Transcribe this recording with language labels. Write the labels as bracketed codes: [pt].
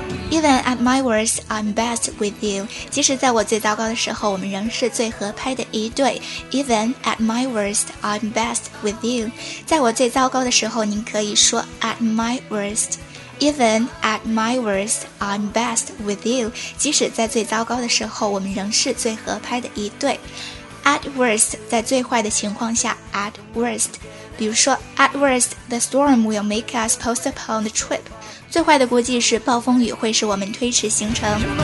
[en] Even at my worst, I'm best with you. [zh] 即使在我最糟糕的时候，我们仍是最合拍的一对。 [en] Even at my worst, I'm best with you. [zh] 在我最糟糕的时候，您可以说 [en] at my worst. Even at my worst, I'm best with you. [zh] 即使在最糟糕的时候，我们仍是最合拍的一对。 At worst, 在最坏的情况下 at worst. 比如说 [en] at worst, the storm will make us postpone the trip. [zh] 最坏的估计是暴风雨会使我们推迟行程。